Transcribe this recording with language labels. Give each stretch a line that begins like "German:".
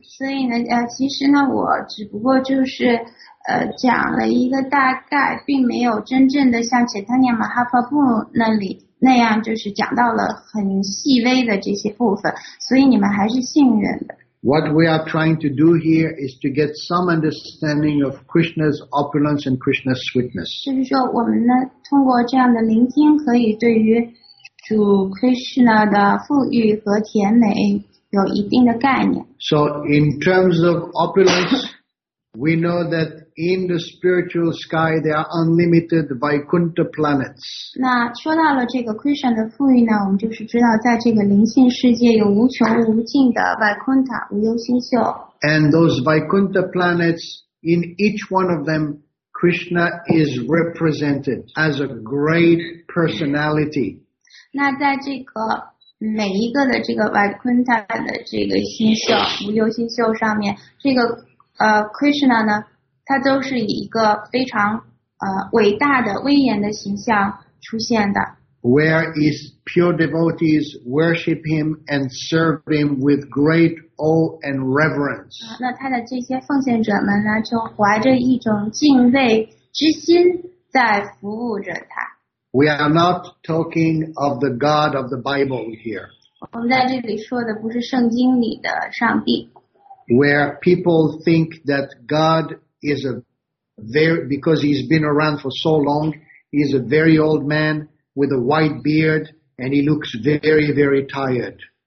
Chinese: 所以呢，其实呢，我只不过就是讲了一个大概，并没有真正的像 Chaitanya Mahaprabhu 那里那样，就是讲到了很细微的这些部分。所以你们还是幸运的。
English: What we are trying to do here is to get some understanding of Krishna's opulence and Krishna's sweetness.
Chinese: 就是说我们呢通过这样的聆听可以对于主 Krishna 的富裕和甜美有一定的概念。
English: So in terms of opulence, we know that in the spiritual sky there are unlimited Vaikuntha planets.
Chinese: 那说到了这个 Krishna 的富裕呢，我们就是知道在这个灵性世界有无穷无尽的 Vaikuntha 无忧星宿。
English: And those Vaikuntha planets, in each one of them, Krishna is represented as a great personality.
Chinese: 那在这个每一个的这个 Vaikuntha 的这个星宿无忧星宿上面，这个Krishna 呢，他都是以一个非常伟大的威严的形象出现的。
English: Where his pure devotees worship him and serve him with great awe and reverence.
Chinese: 那他的这些奉献者们呢，就怀着一种敬畏之心在服务着他。
English: We are not talking of the God of the Bible here.
Chinese: 我们在这里说的不是圣经里的上帝。
English: Where people think that God is a very, because he's been around for so long, he's a very old man with a white beard and he looks very, very tired.